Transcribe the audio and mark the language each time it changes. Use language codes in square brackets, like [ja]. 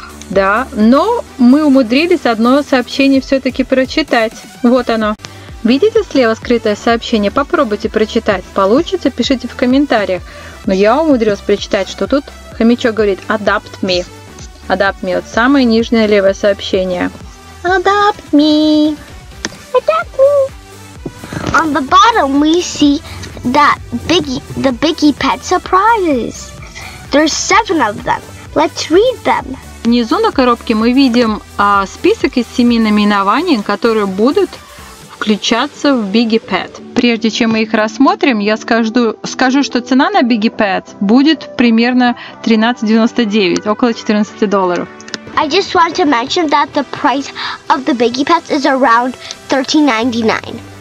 [ru] Да, но мы умудрились одно сообщение все-таки прочитать. Вот оно. Видите слева скрытое сообщение? Попробуйте прочитать. Получится, пишите в комментариях. Но я умудрилась прочитать, что тут хомячок говорит [en] «Adopt me». «Adopt me» [ru] – вот самое нижнее левое сообщение. [en] «Adopt me». «Adopt me». On the bottom we see that the biggie pet surprises. There's 7 of them. Let's read them. [ru] Внизу на коробке мы видим список из 7 наименований, которые будут включаться в Biggy Pet. Прежде чем мы их рассмотрим, я скажу, что цена на Biggy Pet будет примерно $13.99, около $14. [en] I just want to mention that the price of the Biggy Pet is around $13.99.